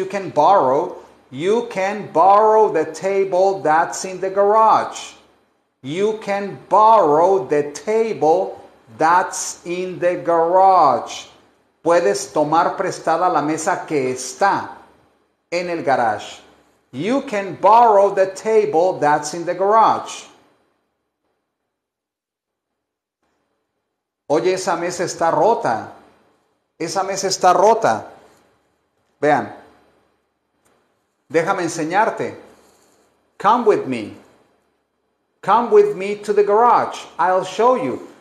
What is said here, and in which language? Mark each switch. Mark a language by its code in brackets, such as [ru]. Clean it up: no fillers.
[en] You can borrow the table that's in the garage. You can borrow the table that's in the garage. [es] Puedes tomar prestada la mesa que está en el garage. [en] You can borrow the table that's in the garage. [es] Oye, esa mesa está rota. Esa mesa está rota. Vean. Déjame enseñarte. [en] Come with me. Come with me to the garage. I'll show you.